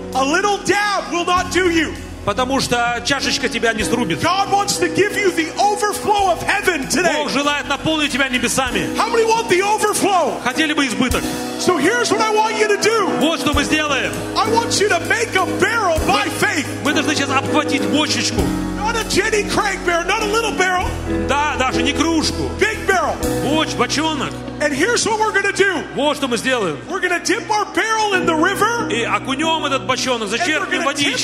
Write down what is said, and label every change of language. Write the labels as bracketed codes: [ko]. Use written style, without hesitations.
[en] A little dab will not do you. [ru] Потому что чашечка тебя не срубит. [en] God wants to give you the overflow of heaven today. [ru] Бог желает наполнить тебя небесами. [en] How many want the overflow? [ru] Хотели бы избыток. [en] So here's what I want you to do. [ru] Вот что мы сделаем. [en] I want you to make a barrel by faith. [ru] Мы должны сейчас обхватить бочечку. [en] Not a Jenny Craig barrel, not a little barrel. [ru] Да, даже не кружку. [en] Big barrel. [ru] Бочонок. [en] And here's what we're going to do. [ru] Вот что мы сделаем. [en] We're going to dip our barrel in the river. [ru] И окунем этот бочонок, зачерпнем водички.